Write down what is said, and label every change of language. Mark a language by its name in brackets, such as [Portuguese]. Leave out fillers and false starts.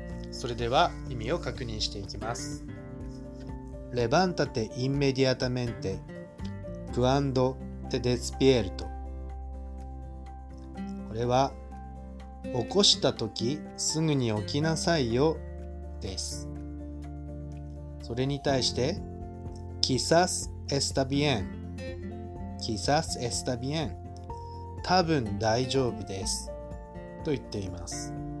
[Japanese] それでは意味を確認していきます。 [Spanish] Levántate inmediatamente cuando te despierto. [Japanese] これは起こしたときすぐに起きなさいよです。それに対して [Spanish] Quizás está bien. Quizás está bien. [Japanese] 多分大丈夫です。と言っています。